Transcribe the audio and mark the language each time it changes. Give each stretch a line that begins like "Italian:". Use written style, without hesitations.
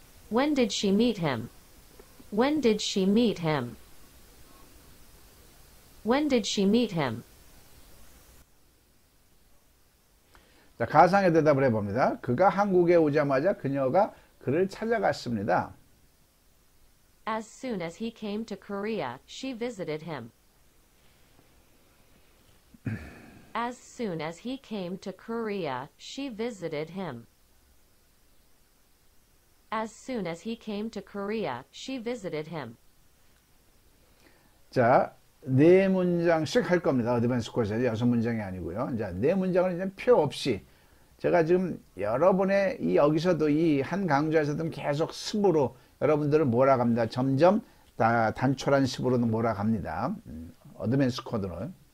English: When did she meet him? When did she meet him? When did she meet him?
Korean: 자, 가상의 대답을 해봅니다. 그가 한국에 오자마자 그녀가 그를 찾아갔습니다.
English: As soon as he came to Korea, she visited him. As soon as he came to Korea, she visited him. As soon as he came to Korea, she visited him.
Korean: 자, 네 문장씩 할 겁니다. 어드밴스 코스에서 여섯 문장이 아니고요. 자, 네 문장은 이제 표 없이 제가 지금 여러분의 이 여기서도 이 한 강좌에서도 계속 습으로 여러분들을 몰아갑니다. 점점 다 단촐한 습으로 몰아갑니다. 어드밴스 코드는.